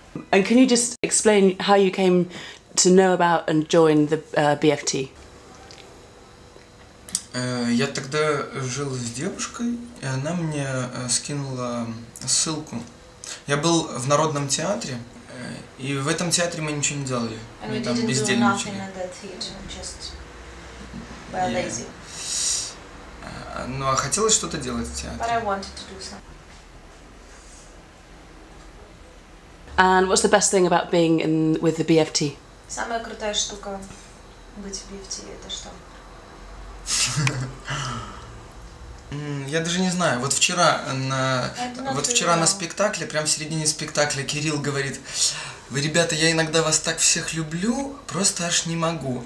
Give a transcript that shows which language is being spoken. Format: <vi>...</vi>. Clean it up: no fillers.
<en>And can you just explain how you came to know about and join the BFT?</en> <ru>Я тогда жил с девушкой, и она мне скинула ссылку. Я был в Народном театре, и в этом театре мы ничего не делали.</ru> <en>And</en> <ru>мы там</ru> <en>didn't</en> <ru>бездельничали.</ru> <en>Do nothing in that theater, just were lazy.</en> <ru>Ну, а хотелось что-то делать в театре.</ru> <en>But I wanted to do something. And what's the best thing about being in with the BFT?</en> <ru>Самая крутая штука быть в BFT это что? Я даже не знаю. Вот вчера на спектакле, прямо в середине спектакля Кирилл говорит: "Вы, ребята, я иногда вас так всех люблю, просто аж не могу".</ru>